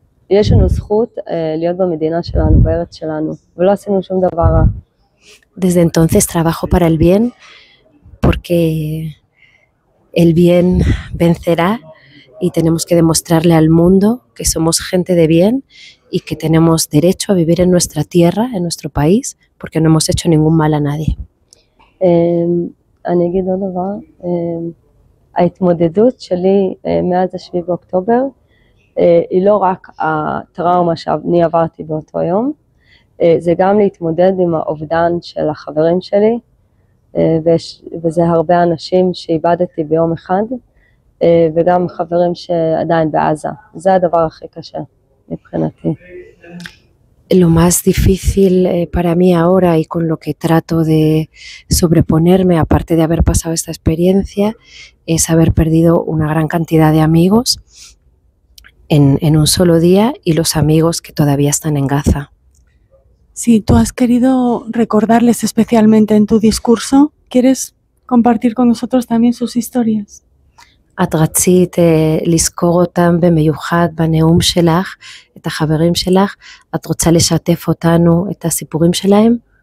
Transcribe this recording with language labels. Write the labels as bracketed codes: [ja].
[he] יש לנו זכות להיות במדינה שלנו, בארץ שלנו, ולא עשינו שום דבר רע. [es] Desde entonces trabajo para el bien, porque el bien vencerá y tenemos que demostrarle al mundo que somos gente de bien y que tenemos derecho a vivir en nuestra tierra, en nuestro país, porque no hemos hecho ningún mal a nadie. [he] אני אגיד עוד דבר, ההתמודדות שלי מאז השביעי באוקטובר, היא לא רק הטראומה שאני עברתי באותו יום, זה גם להתמודד עם האובדן של החברים שלי, וזה הרבה אנשים שאיבדתי ביום אחד, וגם חברים שעדיין בעזה. זה הדבר הכי קשה מבחינתי. [es] Lo más difícil para mí ahora y con lo que trato de sobreponerme, aparte de haber pasado esta experiencia, es haber perdido una gran cantidad de amigos en un solo día y los amigos que todavía están en Gaza. Sí, tú has querido recordarles especialmente en tu discurso. ¿Quieres compartir con nosotros también sus historias? [he] את רצית לזכור אותם במיוחד בנאום שלך, את החברים שלך. את רוצה לשתף אותנו את הסיפורים שלהם?